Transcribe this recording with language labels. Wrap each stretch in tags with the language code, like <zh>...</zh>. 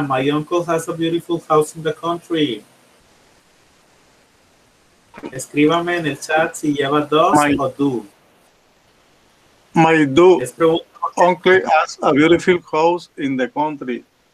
<en>My uncle has a beautiful house in the country.</en> <es>Escríbame en el chat si lleva does o do.</es> <en>My do. Uncle has a beautiful house in the country.</en>